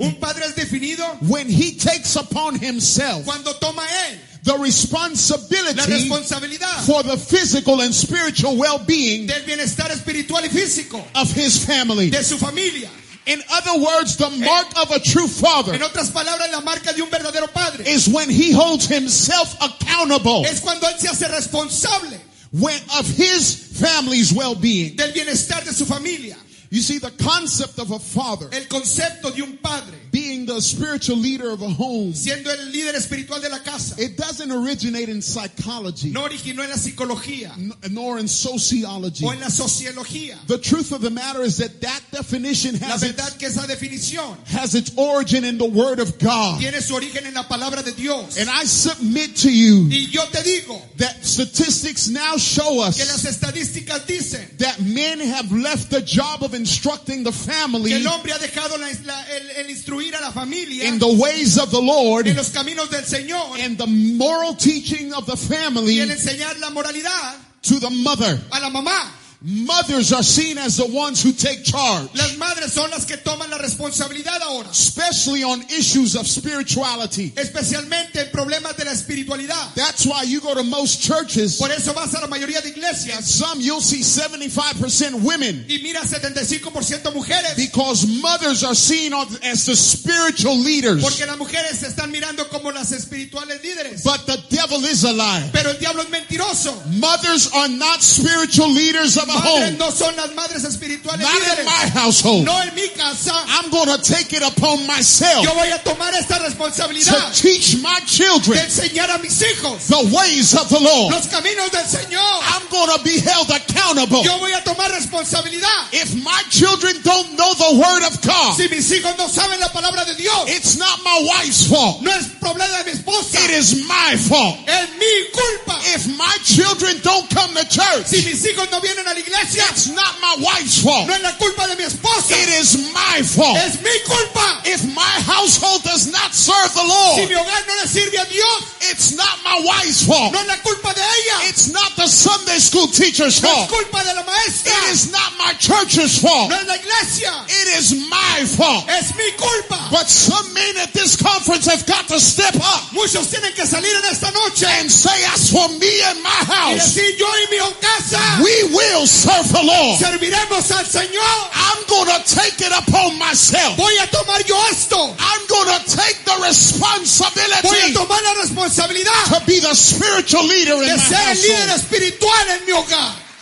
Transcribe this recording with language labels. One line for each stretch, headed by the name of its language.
Spanish: un padre es definido,
English: when he takes upon himself,
Spanish: cuando toma él,
English: the responsibility,
Spanish: la responsabilidad,
English: for the physical and spiritual well-being,
Spanish: del bienestar espiritual y físico,
English: of his family,
Spanish: de su familia.
English: In other words, the mark of a true father,
Spanish: en otras palabras, la marca de un verdadero padre,
English: is when he holds himself accountable,
Spanish: es cuando él se hace responsable,
English: when, of his family's well-being,
Spanish: del bienestar de su familia.
English: You see, the concept of a father,
Spanish: el concepto de un padre,
English: being the spiritual leader of a home,
Spanish: siendo el líder espiritual de la casa,
English: it doesn't originate in psychology,
Spanish: no originó en la psicología,
English: nor in sociology,
Spanish: o en la sociología.
English: The truth of the matter is that that definition has,
Spanish: la verdad que esa definición,
English: has its origin in the word of God,
Spanish: tiene su origen en la palabra de Dios.
English: And I submit to you,
Spanish: y yo te digo,
English: that statistics now show us,
Spanish: que las estadísticas dicen,
English: that men have left the job of instructing the family,
Spanish: que el hombre ha dejado el instruir a la familia,
English: in the ways of the Lord,
Spanish: en los caminos del Señor,
English: and the moral teaching of the family,
Spanish: y el enseñar la moralidad,
English: to the mother,
Spanish: a la mamá.
English: Mothers are seen as the ones who take charge.
Spanish: Las madres son las que toman la responsabilidad ahora.
English: Especially on issues of spirituality.
Spanish: Especialmente en problemas de la espiritualidad.
English: That's why you go to most churches.
Spanish: Por eso vas a la mayoría de iglesias.
English: Some you'll see 75% women.
Spanish: Y mira 75% mujeres.
English: Because mothers are seen as the spiritual leaders.
Spanish: Porque las mujeres se están mirando como las espirituales líderes.
English: But the devil is a liar.
Spanish: Pero el diablo es mentiroso.
English: Mothers are not spiritual leaders.
Spanish: No son las madres espirituales.
English: Not
Spanish: líderes.
English: In my household.
Spanish: No en mi casa.
English: I'm going to take it upon myself.
Spanish: Yo voy a tomar esta responsabilidad.
English: To teach my children.
Spanish: De enseñar a mis hijos.
English: The ways of the Lord.
Spanish: Los caminos del Señor.
English: I'm going to be held accountable.
Spanish: Yo voy a tomar responsabilidad.
English: If my children don't know the word of God.
Spanish: Si mis hijos no saben la palabra de Dios.
English: It's not my wife's fault.
Spanish: No es problema de mi esposa.
English: It is my fault.
Spanish: Es mi culpa.
English: If my children don't come to church.
Spanish: Si mis hijos no vienen a la iglesia,
English: that's not my wife's fault.
Spanish: No es la culpa de mi esposa.
English: It is my fault.
Spanish: Es mi culpa.
English: If my household does not serve the Lord.
Spanish: Si mi hogar no le sirve a Dios.
English: It's not my wife's fault.
Spanish: No es la culpa de ella.
English: It's not the Sunday school teacher's fault.
Spanish: No es culpa de la maestra.
English: It is not my church's fault.
Spanish: No es la iglesia.
English: It is my fault.
Spanish: Es mi culpa.
English: But some men at this conference have got to step up.
Spanish: Muchos tienen que salir en esta noche.
English: And say, as for me and my house.
Spanish: Y decir, yo y mi casa.
English: We will serve the Lord.
Spanish: Serviremos al Señor.
English: I'm going to take it upon myself.
Spanish: Voy a tomar yo esto.
English: I'm going to take the responsibility.
Spanish: Voy a tomar la responsabilidad.
English: To be the spiritual leader in my household.
Spanish: De ser el líder espiritual en mi hogar.